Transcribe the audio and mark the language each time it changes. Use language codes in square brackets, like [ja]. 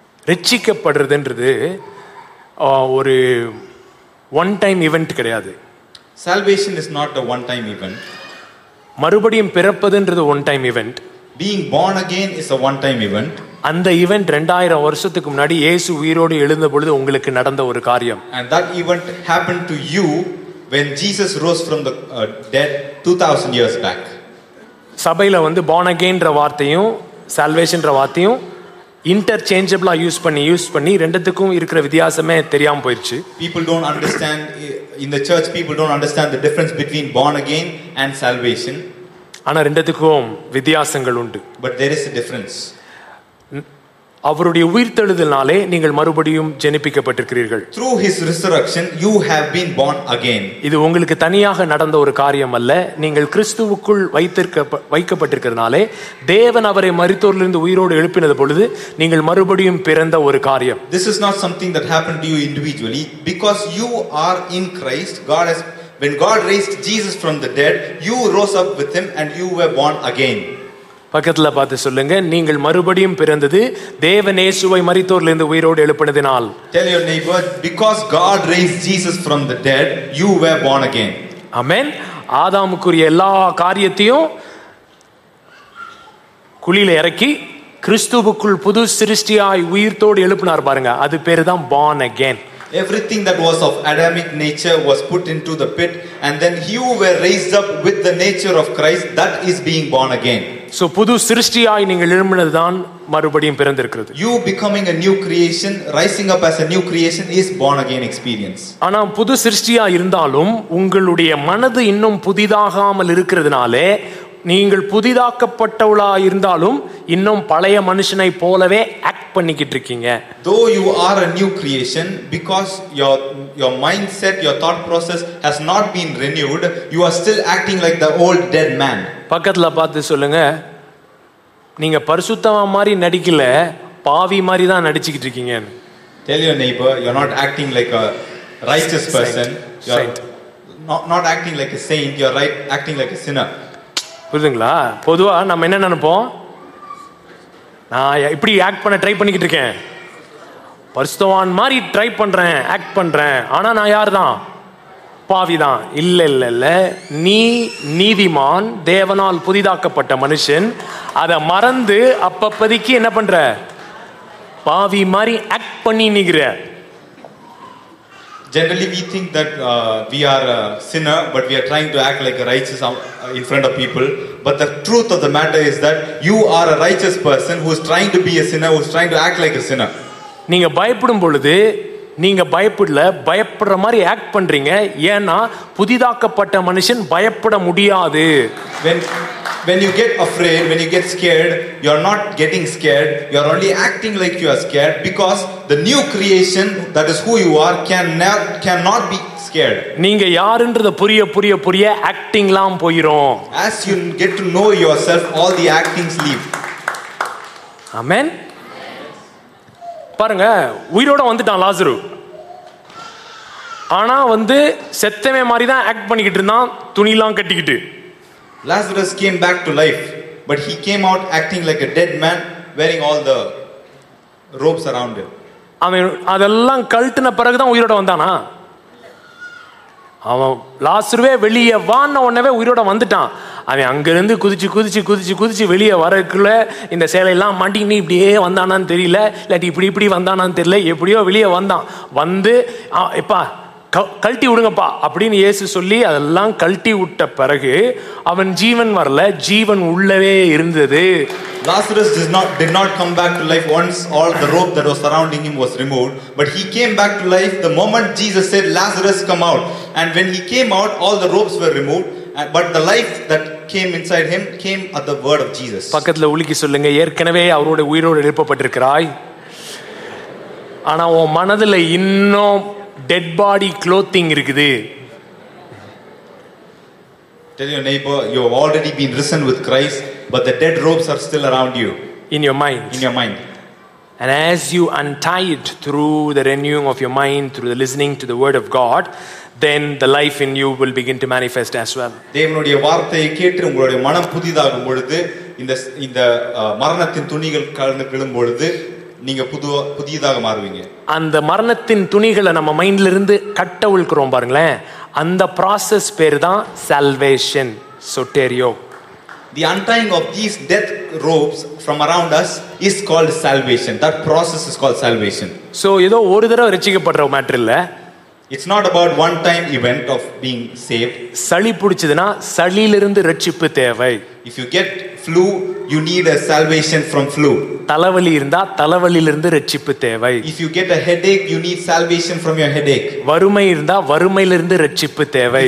[ta] ரட்சிக்கப்படுறதுன்றது ஒரு one time event கிடையாது. [en] Salvation is not a one-time event. [ta] மறுபடியும் பிறப்பதுன்றது one time event. [en] Being born again is a one-time event. [ta] அந்த event 2000 வருஷத்துக்கு முன்னாடி இயேசு உயிரோடு எழுந்த பொழுது உங்களுக்கு நடந்த ஒரு காரியம். [en] And that event happened to you when Jesus rose from the dead 2000 years back. [ta] சபையில வந்து born again-ன்ற வார்த்தையும் salvation-ன்ற வார்த்தையும் இன்டர்சேஞ்சபிளா யூஸ் பண்ணி ரெண்டுத்துக்கும் இருக்கிற வித்தியாசமே தெரியாம போயிருச்சு. [en] People don't understand in the church, people don't understand the difference between born again and salvation. [ta] ஆனா ரெண்டுத்துக்கும் வித்தியாசங்கள் உண்டு. [en] But there is a difference. [ta] அவருடைய உயிர்த்தெழுதலாலே நீங்கள் மறுபடியும் ஜெனிப்பிக்கப்பட்டிருக்கிறீர்கள். [en] Through his resurrection you have been born again. [ta] இது உங்களுக்கு தனியாக நடந்த ஒரு காரியம் அல்ல. நீங்கள் கிறிஸ்துவுக்குள் வைக்கப்பட்டிருக்கிறதுனாலே தேவன் அவரை மரித்தோரிலிருந்து உயிரோடு எழுப்பினது பொழுது நீங்கள் மறுபடியும் பிறந்த ஒரு காரியம். [en] This is not something that happened to you individually. Because you are in Christ, God has, when God raised Jesus from the dead, you rose up with him and you were born again. [ta] பக்கத்தில் பார்த்து சொல்லுங்க, நீங்கள் மறுபடியும் பிறந்தது தேவன் இயேசுவை மரித்தோரிலிருந்து உயிரோடு எழுப்பினதினால். [en] Tell your neighbor, because God raised Jesus from the dead, you were born again. Amen. [ta] ஆதாமுக்குரிய எல்லா காரியத்தையும் குழியில் இறக்கி கிறிஸ்துவுக்குள் புது சிருஷ்டியாய் உயிர்த்தோடு எழுப்பினார் பாருங்க, அது பேரு தான் born again. [en] Everything that was of Adamic nature was put into the pit, and then you were raised up with the nature of Christ. That is being born again. [ta] So புது சிருஷ்டியாய் நீங்கள் எழும்பினது தான் மறுபடியும் பிறந்திருக்கிறது. [en] You becoming a new creation, rising up as a new creation is born again experience. [ta] ஆனா புது சிருஷ்டியாய் இருந்தாலும் உங்களுடைய மனது இன்னும் புதிதாகாமல் இருக்கிறதுனாலே நீங்கள் புதிதாக்கப்பட்டவளா இருந்தாலும் இன்னும் பழைய மனுஷனை போலவே ஆக்ட் பண்ணிக்கிட்டு இருக்கீங்க. [en] Though you are a new creation, because your mindset, your thought process has not been renewed, you are still acting like the old dead man. [ta] பக்கத்துல பார்த்து சொல்லுங்க, நீங்க பரிசுத்தமா மாதிரி நடிக்கல, பாவி மாதிரி தான் நடிச்சுக்கிட்டு இருக்கீங்க. [en] Tell your neighbor, you're not acting like a righteous person. You're not acting like a saint, you're right, acting like a sinner. [ta] புரியுதுங்களா? பொதுவா நம்ம என்ன நினைப்போம், நான் இப்படி ஆக்ட் பண்ண ட்ரை பண்ணிக்கிட்டு இருக்கேன், பரிசுத்தவான் மாதிரி ட்ரை பண்றேன், ஆக்ட் பண்றேன், ஆனா நான் யார் தான், பாவி தான். இல்ல இல்ல இல்ல, நீ நீதிமான், தேவனால் புதிதாக்கப்பட்ட மனுஷன். அதை மறந்து அப்பப்பதிக்கு என்ன பண்ற, பாவி மாதிரி ஆக்ட் பண்ணி நிக்கிற. [en] Generally we think that we are a sinner, but we are trying to act like a righteous in front of people. But the truth of the matter is that you are a righteous person who is trying to be a sinner, who is trying to act like a sinner. [ta] நீங்க பயப்படும் பொழுது நீங்க பயப்படல, பயப்படுற மாதிரி act பண்றீங்க. ஏன்னா புதிதாக்கப்பட்ட மனுஷன் பயப்பட முடியாது. [en] When you get afraid, when you get scared, you are not getting scared, you are only acting like you are scared, because the new creation, that is who you are, cannot be scared. [ta] நீங்க யாருன்றது புரிய புரிய புரிய acting லாம் போயிரும். [en] As you get to know yourself, all the actings leave. Amen. [ta] பாருங்க, உயிரோட வந்துட்டான் லாசரு, ஆனா வந்து செத்தவே மாதிரி தான் ஆக்ட் பண்ணிக்கிட்டு இருந்தான், துணி எல்லாம் கட்டிக்கிட்டு. [en] Lazarus came back to life, but he came out acting like a dead man, wearing all the robes around him. [ta] அவன் அதெல்லாம் கழட்டின பிறகு தான் உயிரோட வந்தானா? அவன் லாசருவே வெளியே வான்ன உடனே உயிரோட வந்துட்டான். அவன் அங்கிருந்து குதிச்சு குதிச்சு குதிச்சு குதிச்சு வெளியே வரக்குள்ள இந்த சேலையெல்லாம் மாட்டிக்கினு இப்படியே வந்தானான்னு தெரியல, இல்லாட்டி இப்படி இப்படி வந்தானான்னு தெரியல, எப்படியோ வெளியே வந்தான். வந்து இப்பா கழட்டி விடுங்கப்பா அப்படின்னு இயேசு சொல்லி அதெல்லாம் கழட்டி விட்ட பிறகு அவன் ஜீவன் வரல, ஜீவன் உள்ளவே இருந்தது. [en] Lazarus did not come back to life once all the rope that was surrounding him was removed, but he came back to life the moment Jesus said, Lazarus, come out. And when he came out, all the ropes were removed, but the life that came inside him came at the word of Jesus. [ta] பக்கத்துல உலுக்கி சொல்லுங்க, ஏற்கனவே அவரோட உயிரோடு எழுப்பப்பட்டிருக்கிறாய், ஆனா உன் மனதுல இன்னும் [en] dead body clothing [ta] irukudhu. [en] Tell your neighbor, you have already been risen with Christ, but the dead robes are still around you in your mind. And as you untie it through the renewing of your mind, through the listening to the word of God, then the life in you will begin to manifest as well. [ta] தேவனுடைய வார்த்தையை கேட்டு உங்களுடைய மனம் புதிதாகும் பொழுது இந்த மரணத்தின் துணிகள் கழன்றும் பொழுது நீங்க புதியதாக மாறுவீங்க. அந்த மரணத்தின் துணிகளை நம்ம மைண்ட்ல இருந்து கட்ட உள்கிறோம் பாருங்களேன். அந்த process பேருதான் salvation, soterio. [en] The untying of these death ropes from around us is called salvation. That process is called salvation. [ta] So ஏதோ ஒரு தடவை ரட்சிக்கப்படுற மாதிரி இல்ல. [en] It's not about one time event of being saved. [ta] சளி பிடிச்சதுனா சளியில இருந்து ரட்சிப்பு தேவை. [en] If you get flu, you need a salvation from flu. [ta] தலைவலி இருந்தா தலைவலியில இருந்து ரட்சிப்பு தேவை. [en] If you get a headache, you need salvation from your headache. [ta] வறுமை இருந்தா வறுமையில இருந்து ரட்சிப்பு தேவை.